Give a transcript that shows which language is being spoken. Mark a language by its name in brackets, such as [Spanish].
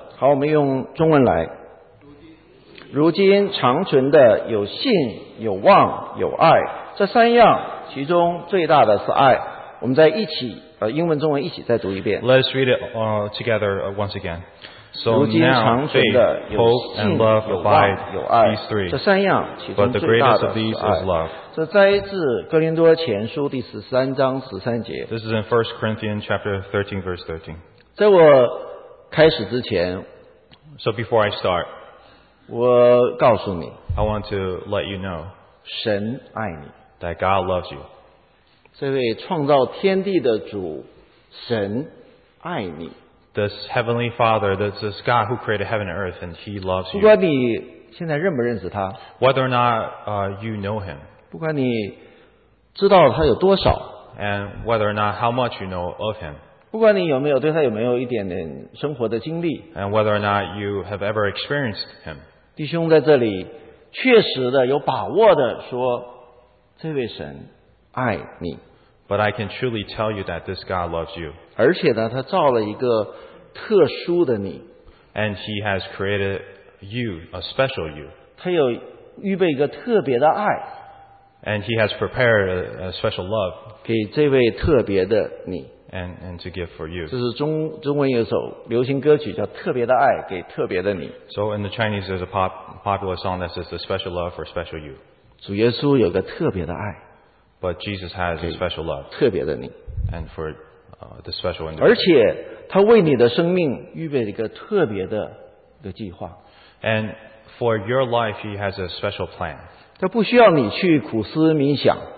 [Chinese] 好，我们用中文来。如今长存的有信、有望、有爱，这三样。其中最大的是爱。我们再一起，英文中文一起再读一遍。 [English] Let's read it together once again. So now, faith, hope, and love abide. These three. [Chinese] 这三样，其中最大的是爱。这摘自哥林多前书第十三章十三节。 [English] This is in 1 Corinthians chapter 13, verse 13. [Chinese] 在我开始之前 [English] ，So before I start, [Chinese] 我告诉你 [English] ，I want to let you know, [Chinese] 神爱你。 [English] That God loves you. [Chinese] 这位创造天地的主神爱你。 [English] This heavenly Father, this God who created heaven and earth, and He loves you. [Chinese] 不管你现在认不认识他。 [English] Whether or not you know Him. [Chinese] 不管你知道他有多少。 [English] And whether or not how much you know of Him. [Chinese] 不管你有没有对他有没有一点点生活的经历。 [English] And whether or not you have ever experienced Him. [Chinese] 弟兄在这里确实的有把握的说。这位神爱你 [English] But I can truly tell you that this God loves you. [Chinese] 而且呢，他造了一个特殊的你。 [English] And He has created you, a special you. [Chinese] 他有预备一个特别的爱。 [English] And He has prepared a special love. [Chinese] 给这位特别的你。 [English] And to give for you. [Chinese] 这是中文有首流行歌曲叫《特别的爱》，给特别的你。 [English] So in the Chinese, there's a popular song that says, "The special love for special you." [Chinese] 主耶稣有个特别的爱 [English] ，But Jesus has a special love， [Chinese] 特别的你 [English] ，and for the special one， [Chinese] 而且他为你的生命预备了一个特别的一个计划 [English] ，and for your life he has a special plan。 [Chinese] 他不需要你去苦思冥想